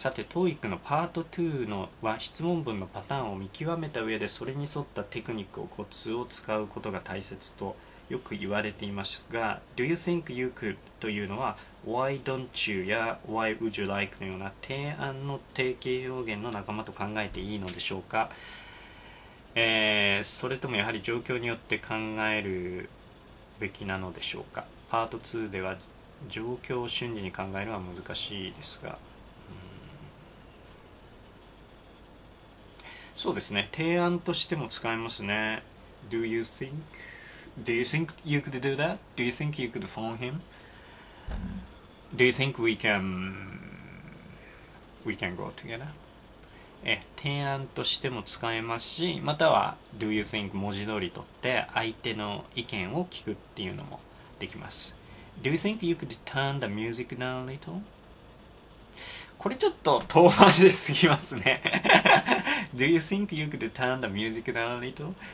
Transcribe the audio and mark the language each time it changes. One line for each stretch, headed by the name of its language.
Japanese: さて、 TOEIC のパート2のは質問文のパターンを見極めた上で、それに沿ったテクニックをコツを使うことが大切とよく言われていますが、
English: Do you think you could
Japanese: というのは
English: Why don't you
Japanese: や
English: Why would you like
Japanese: のような提案の定型表現の仲間と考えていいのでしょうか、それともやはり状況によって考えるべきなのでしょうか。パート2では状況を瞬時に考えるのは難しいですが、そうですね、提案としても使えますね。
English: Do you thinkDo you think you could do that? Do you think you could phone him? Do you think we can go together?
Japanese: 提案としても使えますし、または
English: Do you think
Japanese: 文字通り取って相手の意見を聞くっていうのもできます。
English: Do you think you could turn the music down a little?
Japanese: これちょっと遠回しすぎますね。
English: Do you think you could turn the music down a little?